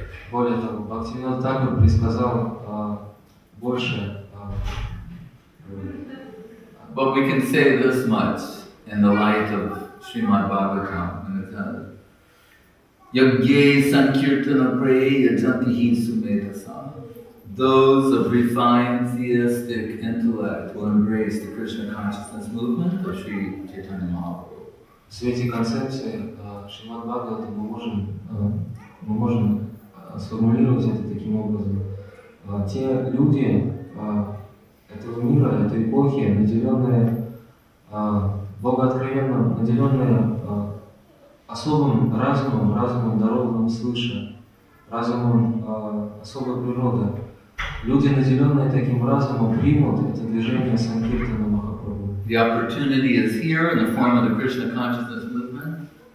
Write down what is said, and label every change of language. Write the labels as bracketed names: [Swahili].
[Russian] Более того, Бхактивинода Тхакура предсказал больше. [English] But we can say this much in the light of Srimad Bhagavatam. [Sanskrit] Yogye Sankirtana Prayajantihi Sumedasa. [English] Those of refined theistic intellect will embrace the Krishna consciousness movement of Sri Chaitanya Mahaprabhu. [Russian] В свете концепции Шримад Бхагаватам мы можем сформулировать это таким образом. Те люди этого мира, этой эпохи, наделенные богооткровенным, наделенные особым разумом, разумом дарованным свыше, разумом особой природы. Люди, наделенные таким разумом, примут это движение Санкиртана Махапрабху. [English] The opportunity is here in the form of the Krishna consciousness movement.